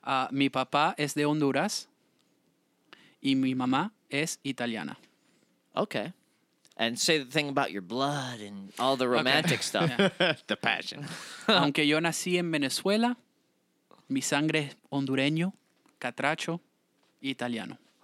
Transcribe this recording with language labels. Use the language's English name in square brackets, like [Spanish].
[Spanish] Mi papá es de Honduras y mi mamá es italiana. [English] Okay. And say the thing about your blood and all the romantic stuff. The passion. [Spanish] Aunque yo nací en Venezuela, mi sangre es hondureño, catracho, italiano.